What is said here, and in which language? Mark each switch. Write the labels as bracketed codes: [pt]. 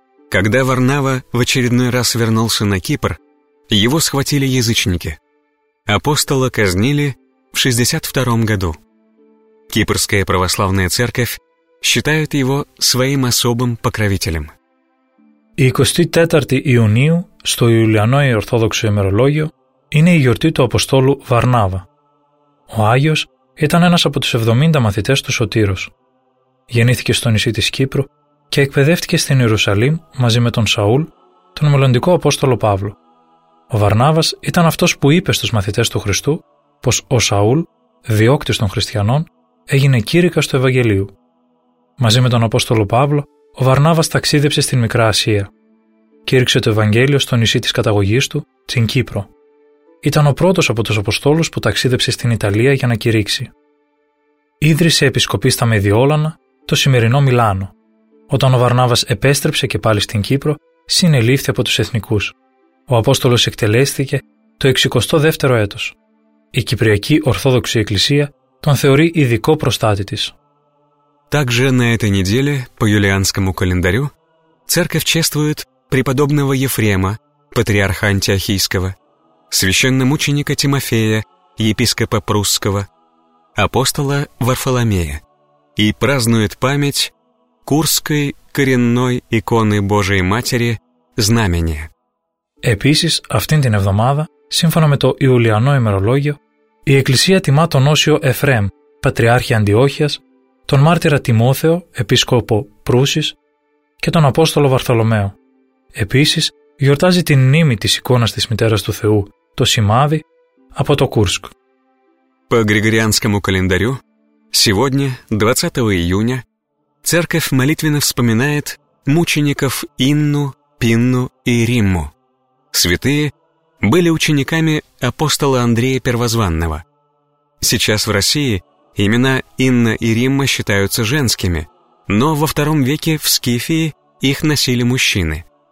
[ru] Когда Варнава в очередной раз вернулся на Кипр, его схватили язычники. Апостола казнили в 62 году. Кипрская православная церковь считают его своим особым покровителем. [el] 24 Ιουνίου στο Ιουλιανό Ορθόδοξο ημερολόγιο είναι η γιορτή του Αποστόλου Βαρνάβα. Ο Άγιος ήταν ένας από τους 70 μαθητές του Σωτήρος. Γεννήθηκε στο νησί της Κύπρου και εκπαιδεύτηκε στην Ιερουσαλήμ μαζί με τον Σαούλ, τον μελλοντικό Απόστολο Παύλο. Ο Βαρνάβας ήταν αυτός που είπε στους μαθητές του Χριστού πως ο Σαούλ, διώκτης των χριστιανών, έγινε κήρυκας του Ευαγγελίου. Μαζί με τον Απόστολο Παύλο, ο Βαρνάβας ταξίδεψε στην Μικρά Ασία. Κήρυξε το Ευαγγέλιο στο νησί της καταγωγής του, την Κύπρο. Ήταν ο πρώτος από τους Αποστόλους που ταξίδεψε στην Ιταλία για να κηρύξει. Ίδρυσε επισκοπή στα Μεδιόλανα, το σημερινό Μιλάνο. Όταν ο Βαρνάβας επέστρεψε και πάλι στην Κύπρο, συνελήφθη από τους εθνικούς. Ο Απόστολος εκτελέστηκε το 62ο έτος. Η Κυπριακή Ορθόδοξη Εκκλησία τον θεωρεί ειδικό προστάτη της. [ru] Также на этой неделе, по юлианскому календарю, церковь чествует преподобного Ефрема, патриарха Антиохийского, священномученика Тимофея, епископа Прусского, апостола Варфоломея, и празднует память Курской коренной иконы Божией Матери Знамения. [el] Επίσης, αυτήν την εβδομάδα, σύμφωνα με το Ιουλιανό ημερολόγιο, η Εκκλησία τιμά τον Όσιο Εφρέμ, Πατριάρχη Αντιόχειας, τον μάρτυρα Τιμόθεο, επίσκοπο Προύσης και τον Απόστολο Βαρθολομαίο. Επίσης, γιορτάζει την μνήμη της εικόνας της Μητέρας του Θεού, το Σημάδι, από το Κούρσκ. [ru] По григорианскому календарю, сегодня, 20 июня, церковь молитвенно вспоминает мучеников Инну, Пинну и Римму. Святые были учениками апостола Андрея Первозванного. Сейчас в России имена Инна и Римма считаются женскими, но во II веке в Скифии их носили мужчины.